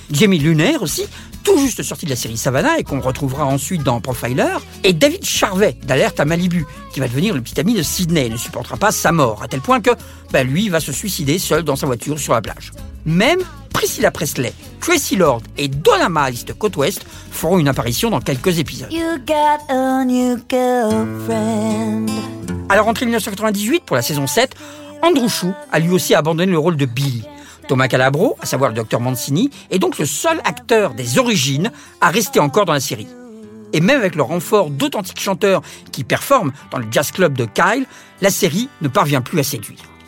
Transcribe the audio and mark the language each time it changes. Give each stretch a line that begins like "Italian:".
French: Jamie Lunner aussi, tout juste sorti de la série Savannah et qu'on retrouvera ensuite dans Profiler. Et David Charvet, d'Alerte à Malibu, qui va devenir le petit ami de Sydney et ne supportera pas sa mort, à tel point que lui va se suicider seul dans sa voiture sur la plage. Même Priscilla Presley, Tracy Lord et Donna Miles de Côte Ouest feront une apparition dans quelques épisodes.
English: You got a new girlfriend.
French: À la rentrée 1998, pour la saison 7, Andrew Shue a lui aussi abandonné le rôle de Billy. Thomas Calabro, à savoir le docteur Mancini, est donc le seul acteur des origines à rester encore dans la série. Et même avec le renfort d'authentiques chanteurs qui performent dans le jazz club de Kyle, la série ne parvient plus à séduire.